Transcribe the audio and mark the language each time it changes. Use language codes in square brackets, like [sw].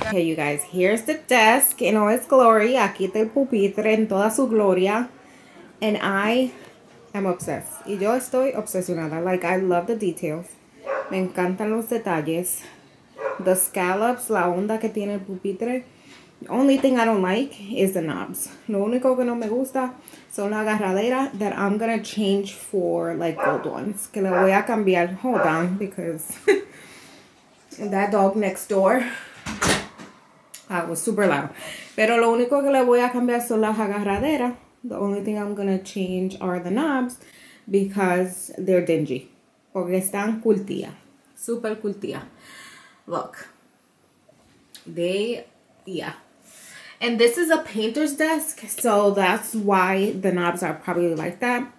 [en] Okay, you guys, here's the desk in all its glory. [es] Aquí está el pupitre en toda su gloria. [en] And I am obsessed. [es] Y yo estoy obsesionada. [en] Like, I love the details. [es] Me encantan los detalles. [en] The scallops, [es] la onda que tiene el pupitre. [en] The only thing I don't like is the knobs. [es] Lo único que no me gusta son las agarraderas [en] that I'm going to change for, like, gold ones. [es] Que le voy a cambiar. [en] Hold on, because that dog next door, I was super loud. [es] Pero lo único que le voy a cambiar son las agarraderas. [en] The only thing I'm going to change are the knobs because they're dingy. [es] Porque están cultía. Super cultía. Look. [en] And this is a painter's desk, so that's why the knobs are probably like that.